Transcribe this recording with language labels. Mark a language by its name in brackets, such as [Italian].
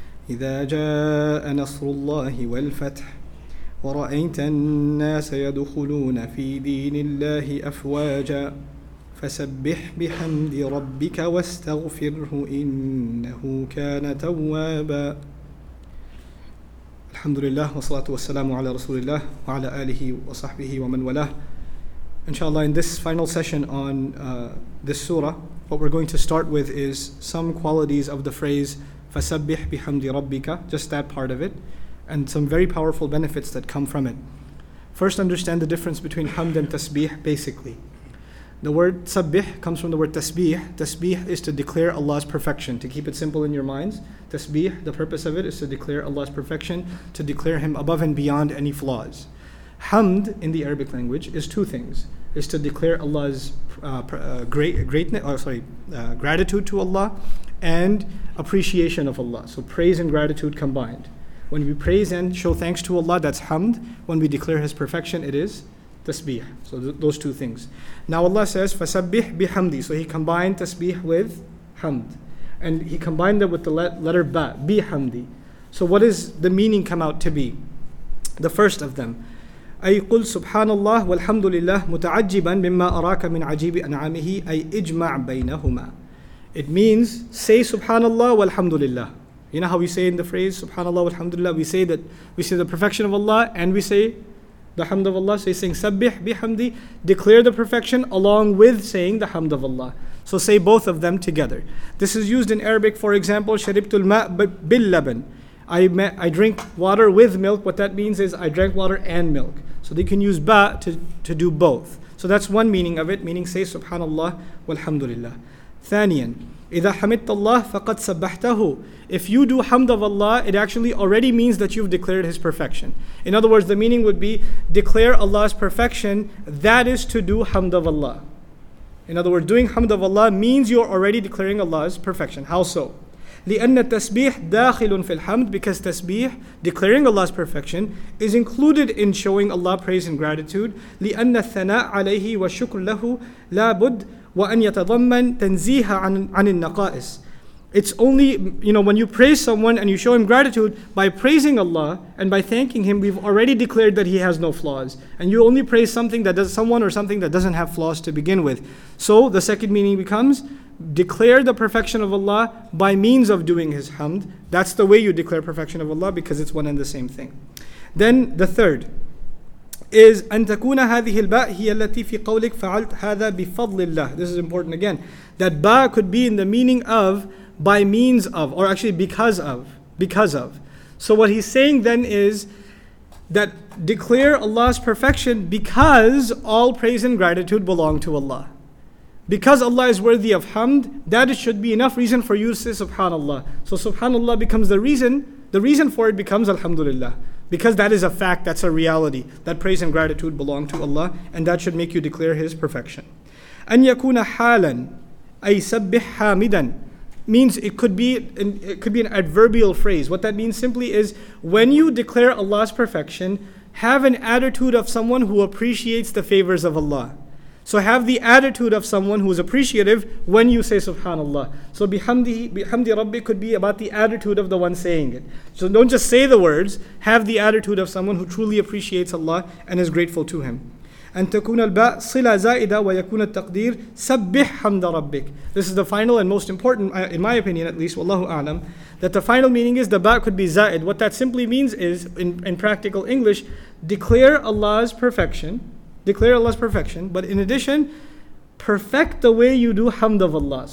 [Arabic] إذا جاء نصر الله والفتح ورأيت الناس يدخلون في دين الله أفواجا فسبح بحمد ربك واستغفره إنه كان توابا. الحمد لله والصلاة والسلام على رسول الله وعلى آله وصحبه ومن والاه. [English] Inshallah, in this final session on this surah, what we're going to start with is some qualities of the phrase [Arabic] فَسَبِّحْ بِحَمْدِ رَبِّكَ, [English] just that part of it, and some very powerful benefits that come from it. First, understand the difference between hamd and tasbih, basically. The word sabbih comes from the word tasbih. Tasbih is to declare Allah's perfection. To keep it simple in your minds, tasbih, the purpose of it is to declare Allah's perfection, to declare Him above and beyond any flaws. Hamd in the Arabic language is two things. It's to declare Allah's gratitude to Allah and appreciation of Allah. So praise and gratitude combined. When we praise and show thanks to Allah, that's hamd. When we declare His perfection, it is tasbih. So those two things. Now Allah says, [Arabic] فَسَبِّحْ بِحَمْدِ. [English] So He combined tasbih with hamd. And He combined it with the letter ba, bihamdi. So what is the meaning come out to be? The first of them. [Arabic] أي قل سبحان الله والحمد لله متعجبا مما أراك من عجيب أنعامه أي اجمع بينهما. [English] It means say subhanallah walhamdulillah. You know how we say in the phrase subhanallah walhamdulillah, we say that we say the perfection of Allah and we say the hamd of Allah. So he's saying sabbih bihamdi, declare the perfection along with saying the hamd of Allah. So say both of them together. This is used in Arabic, for example, [Arabic] sharibtul ma billaban. [English] I drink water with milk. What that means is I drank water and milk. So they can use ba to do both. So that's one meaning of it, meaning say subhanallah walhamdulillah. Thaniyan, [Arabic] إِذَا حَمِدْتَ اللَّهِ فَقَدْ سَبَّحْتَهُ. [English] If you do hamd of Allah, it actually already means that you've declared His perfection. In other words, the meaning would be declare Allah's perfection, that is to do hamd of Allah. In other words, doing hamd of Allah means you're already declaring Allah's perfection. How so? [Arabic] لأن التسبيح داخل في الحمد, [English] because تسبيح, declaring Allah's perfection, is included in showing Allah praise and gratitude. [Arabic] لأن الثناء عليه والشكر له لابد وأن يتضمن تنزيها عن النقائص. [English] It's only, you know, when you praise someone and you show him gratitude, by praising Allah and by thanking Him, we've already declared that he has no flaws. And you only praise something that does someone or something that doesn't have flaws to begin with. So the second meaning becomes, declare the perfection of Allah by means of doing His hamd. That's the way you declare perfection of Allah, because it's one and the same thing. Then the third is [Arabic] أن تكون هذه الباء هي التي في قولك فعلت هذا بفضل الله. [English] This is important again. That ba could be in the meaning of by means of, or actually because of. So what he's saying then is that declare Allah's perfection because all praise and gratitude belong to Allah. Because Allah is worthy of hamd, that should be enough reason for you to say subhanallah. So subhanallah becomes the reason for it becomes alhamdulillah. Because that is a fact, that's a reality. That praise and gratitude belong to Allah, and that should make you declare His perfection. [Arabic] أن يكون حالاً أي سبح حامداً [English] means it could be an adverbial phrase. What that means simply is, when you declare Allah's perfection, have an attitude of someone who appreciates the favors of Allah. So have the attitude of someone who is appreciative when you say subhanallah. So bihamdi rabbi could be about the attitude of the one saying it. So don't just say the words, have the attitude of someone who truly appreciates Allah and is grateful to Him. [Arabic] أن تكون الباء صلة زائدة ويكون التقدير سبح حمد ربك. [English] This is the final and most important, in my opinion at least, [Arabic] والله أعلم, [English] that the final meaning is the ba could be زائد. What that simply means is, in practical English, declare Allah's perfection, but in addition, perfect the way you do hamd of Allah.